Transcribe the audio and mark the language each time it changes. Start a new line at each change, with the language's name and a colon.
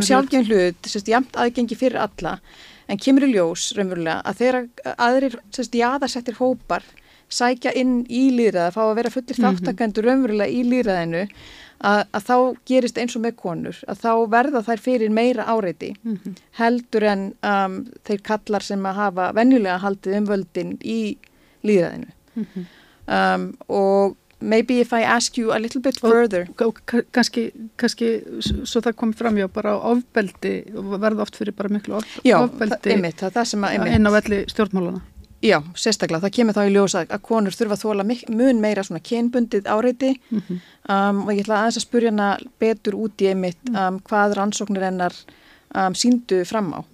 Icelandic: Sjálfgefin hlut, jafnt aðgengi fyrir alla, en kemur í ljós raunverulega að þeirra aðrir jaðarsettir hópar sækja inn í líðræði, fá að vera fullir þáttakendur mm-hmm. raunverulega í líðræðinu, að þá gerist eins og með konur, að þá verða þær fyrir meira áreiti mm-hmm. heldur en þeir kallar sem að hafa venjulega haldið völdin í líðræðinu. Mm-hmm.
English: Og maybe if I ask you a little bit further.
Icelandic: Kannski svo það kom fram hjá bara á ofbeldi og verða oft fyrir bara miklu ofbeldi. Já, einmitt, það sem að einmitt. Inn á velli stjórnmálana. Já, sérstaklega, það kemur þá í ljós að konur þurfa að þola mun meira svona kynbundið áreiti mm-hmm. Og ég ætla aðeins að spurja hana betur út í einmitt hvað rannsóknir hennar síndu fram á.